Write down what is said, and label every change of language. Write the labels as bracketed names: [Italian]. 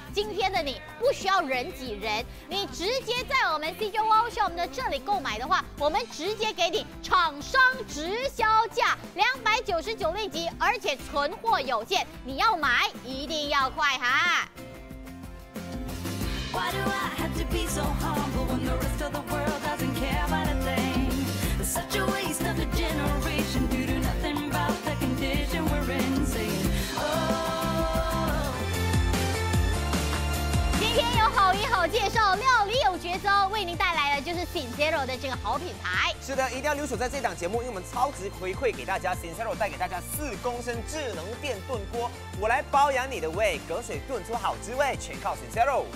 [Chinese] 今天的你不需要人挤人，你直接在我们 CJ Wow Show 我们的这里购买的话，我们直接给你厂商直销价299令吉，而且存货有限，你要买一定要快。 [English] Why do I have to be so humble when the rest of the world doesn't care about a thing? It's such a waste of a generation due to nothing about the condition we're in. Saying, oh. [Chinese] 今天有好一好介绍，料理有绝招，为您带来的就是 Sincero 的这个好品牌。是的，一定要留守在这档节目，因为我们超值回馈给大家。Sincero 带给大家4公升智能电炖锅，我来包养你的胃，隔水炖出好滋味，全靠 Sincero。